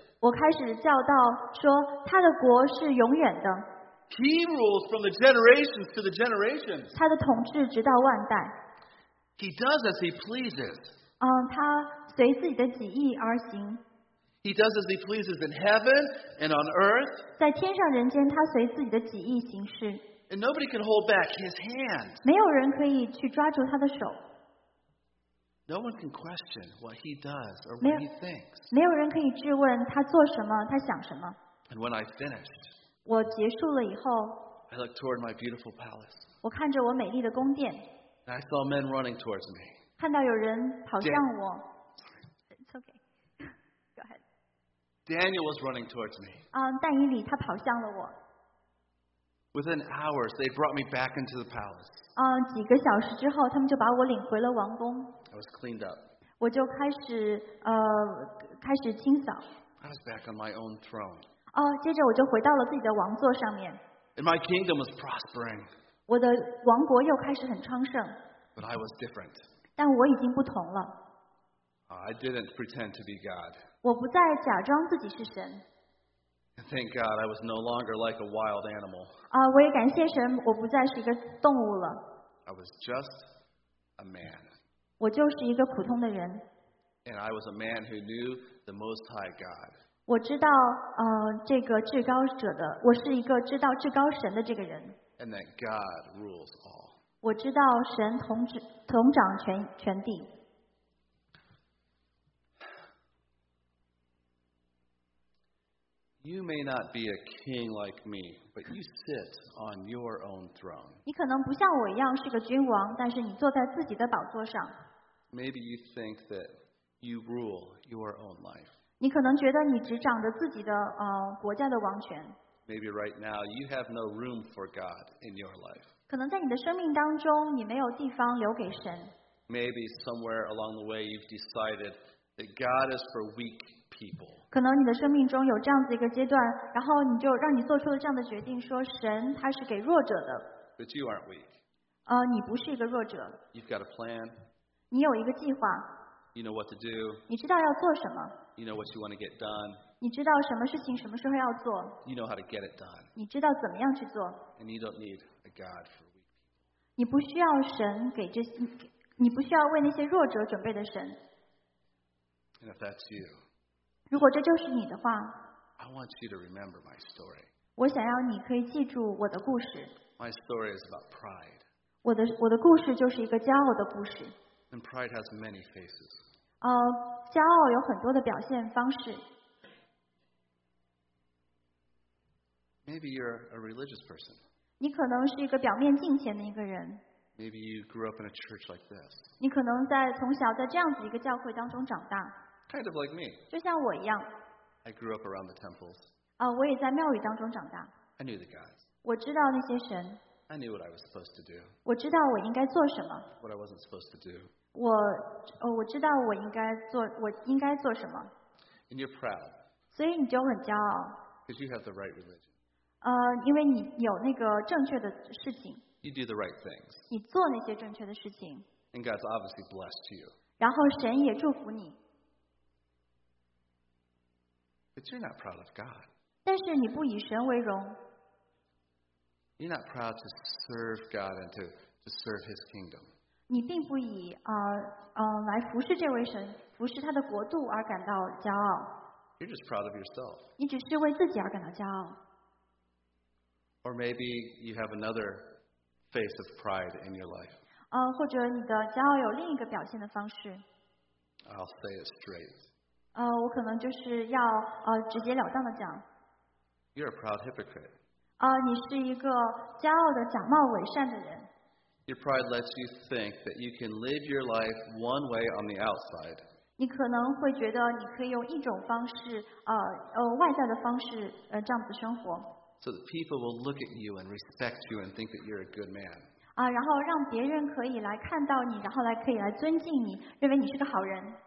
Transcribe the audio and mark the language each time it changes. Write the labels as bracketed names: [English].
[Chinese] 我开始叫道说他的国是永远的。 [English] He rules from the generations to the generations. [Chinese] 他的统治直到万代。 [English] He does as he pleases. [Chinese] 他随自己的旨意而行。 [English] He does as he pleases in heaven and on earth. [Chinese] 在天上人间他随自己的旨意行事。 [English] And nobody can hold back his hand. [Chinese] 没有人可以去抓住他的手。 [English] No one can question what he does or what he thinks. [Chinese] 没有人可以质问他做什么，他想什么。 [English] And when I finished, [Chinese] 我结束了以后， [English] I looked toward my beautiful palace. [Chinese] 我看着我美丽的宫殿。 [English] And I saw men running towards me. [Chinese] 看到有人跑向我。 [English] It's okay. Go ahead. Daniel was running towards me. [Chinese] 但以理他跑向了我。 [English] Within hours, they brought me back into the palace. [Chinese] 几个小时之后，他们就把我领回了王宫。 [English] I was cleaned up. [Chinese] 我就开始清扫。 [English] I was back on my own throne. [Chinese] 接着我就回到了自己的王座上面。 [English] And my kingdom was prospering. [Chinese] 我的王国又开始很昌盛。 [English] But I was different. [Chinese] 但我已经不同了。 [English] I didn't pretend to be God. [Chinese] 我不再假装自己是神。 [English] Thank God I was no longer like a wild animal. [Chinese] 我也感谢神，我不再是一个动物了。 [English] I was just a man. [Chinese] 我就是一个普通的人。 [English] And I was a man who knew the Most High God. [Chinese] 我知道，这个至高者的，我是一个知道至高神的这个人。 [English] And that God rules all. [Chinese] 我知道神统掌全地。 [English] You may not be a king like me, but you sit on your own throne. [Chinese] 你可能不像我一样是个君王，但是你坐在自己的宝座上。 [English] Maybe you think that you rule your own life. [Chinese] 你可能觉得你执掌着自己的国家的王权。 [English] Maybe right now you have no room for God in your life. [Chinese] 可能在你的生命当中，你没有地方留给神。 [English] Maybe somewhere along the way you've decided that God is for weak people. [Chinese] 可能你的生命中有这样子一个阶段，然后你就让你做出了这样的决定，说神他是给弱者的。 [English] But you aren't weak. [Chinese] 你不是一个弱者。 [English] You've got a plan. [Chinese] 你有一个计划。 [English] You know what to do. [Chinese] 你知道要做什么。 [English] You know what you want to get done. [Chinese] 你知道什么事情什么时候要做。 [English] You know how to get it done. [Chinese] 你知道怎么样去做。 [English] And you don't need a God for weak people. [Chinese] 你不需要神给这些，你不需要为那些弱者准备的神。 [English] And if that's you. [Chinese] 如果这就是你的话， [English] I want you to remember my story. [Chinese] 我想要你可以记住我的故事。 [English] My story is about pride. [Chinese] 我的故事就是一个骄傲的故事。 [English] And pride has many faces. [Chinese] 骄傲有很多的表现方式。 [English] Maybe you're a religious person. [Chinese] 你可能是一个表面敬虔的一个人。 [English] Maybe you grew up in a church like this. [Chinese] 你可能在从小在这样子一个教会当中长大。 [English] Kind of like me. [Chinese] 就像我一样。 [English] I grew up around the temples. [Chinese] 我也在庙宇当中长大。 [English] I knew the gods. [Chinese] 我知道那些神。 [English] I knew what I was supposed to do. [Chinese] 我知道我应该做什么。 [English] What I wasn't supposed to do. [Chinese] 我知道我应该做什么。 [English] And you're proud. [Chinese] 所以你就很骄傲。 [English] Because you have the right religion. [Chinese] 因为你有那个正确的事情。 [English] You do the right things. [Chinese] 你做那些正确的事情。 [English] And God's obviously blessed you. [Chinese] 然后神也祝福你。 [English] But you're not proud of God. [Chinese] 但是你不以神为荣。 [English] You're not proud to serve God and to serve His kingdom. [Chinese] 你并不以来服侍这位神，服侍他的国度而感到骄傲。 [English] You're just proud of yourself. [Chinese] 你只是为自己而感到骄傲。 [English] Or maybe you have another face of pride in your life. [Chinese] 或者你的骄傲有另一个表现的方式。 [English] I'll say it straight. [Chinese] 我可能就是要直截了当的讲。 [English] You're a proud hypocrite. [Chinese] 你是一个骄傲的假冒伪善的人。 [English] Your pride lets you think that you can live your life one way on the outside. [Chinese] 你可能会觉得你可以用一种方式，外在的方式，这样子生活。 [English] So that people will look at you and respect you and think that you're a good man. [Chinese] 然后让别人可以来看到你，然后来可以来尊敬你，认为你是个好人。